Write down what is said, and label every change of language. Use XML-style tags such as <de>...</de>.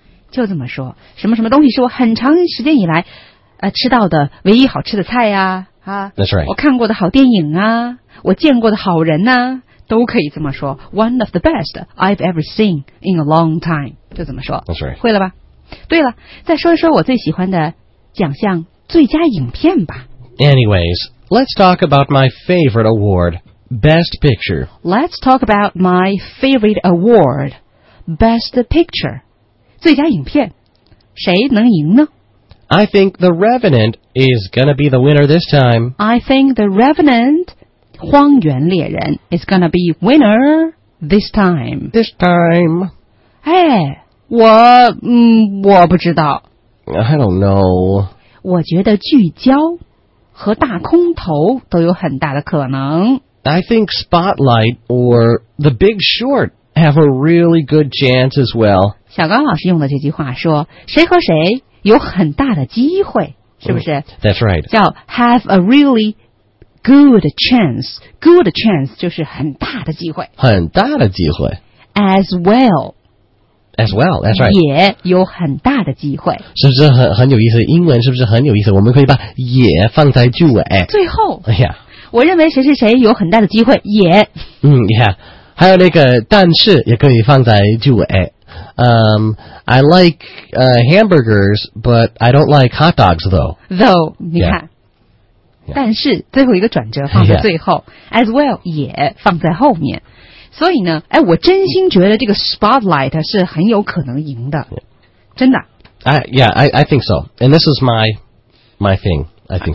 <zh>就这么说，什么什么东西是我很长时间以来，吃到的唯一好吃的菜呀、</zh> <en>That's right.</en> <zh>我看过的好电影啊，我见过的好人呐、都可以这么说。</zh> <en>One of the best I've ever seen in a long time.</en> <zh>就这么说。</zh> <en>That's right.</en> <zh>会了吧？对了，再说一说我最喜欢的。奖项最佳影片吧。</zh> <en>Anyways, let's talk about my favorite award, Best Picture. Let's talk about my favorite award, Best Picture.</en> <zh>最佳影片，谁能赢呢？</zh> <en>I think The Revenant is gonna be the winner this time. I think The Revenant, 荒原猎人 is gonna be winner this time. This time.</en> <zh>哎，我不知道。</zh> <en>I don't know.</en> <zh>我觉得聚焦和大空头都有很大的可能。</zh> <en>I think Spotlight or The Big Short have a really good chance as well.</en> <zh>小刚老师用的这句话说，谁和谁有很大的机会，是不是？</zh> <en>That's right. 叫 have a really good chance. Good chance</en> <zh>就是很大的机会。很大的机会。</zh> <en>As well. As well, that's right.</en> <zh>也有很大的机会。是不是很有意思？英文是不是很有意思？我们可以把也放在句尾。最后。哎呀。我认为谁是谁有很大的机会，也。</zh> <en>Yeah.</en> <zh>还有那个但是也可以放在句尾。</zh> <en>I like, hamburgers, but I don't like hot dogs though.</en> <zh>Though, 你看。但是最后一个转折放在最后。</zh> <en>As well,</en> <zh>也放在后面。所以呢，哎，我真心觉得这个 Spotlight 是很有可能赢的，真的。</zh> <en>I think so. And this is my thing. I think.</en>